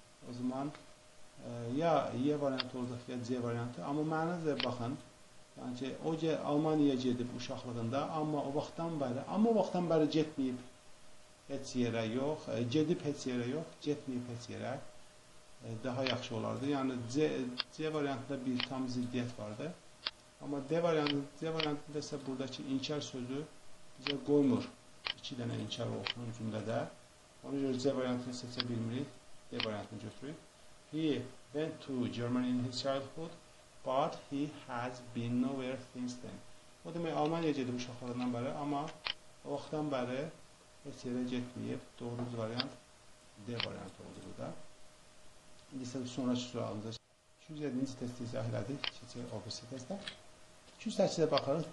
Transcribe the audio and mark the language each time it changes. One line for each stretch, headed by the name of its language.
Azerbaijani: O zaman ya Y variantı olacaq ya C variantı. Amma mənimizə baxın. Yəni ki o Almaniyaya gedib uşaqlığında, amma o vaxtdan bəri getməyib. Heç yerə yox, gedib heç yerə yox, getməyib heç yerə daha yaxşı olardı. Yəni C variantında bir tam ziddiyyət vardı. Amma D variantında isə buradakı inkar sözü bizə qoymur. İki dənə inkar olsun cümlədə. Ona görə C variantını seçə bilmirik, D variantını götürürük.
English: He went to Germany in his childhood, but he has been nowhere since then.
Azerbaijani: O demək, Almaniyaya gedib uşaqlarından bəri, amma o vaxtdan bəri heç yerə getməyib. Doğru variant D variantı oldu burada. İndi isə sonraki sualımıza 207-ci testi izah elədik. Keçək OBC testə. 208-də baxırıq.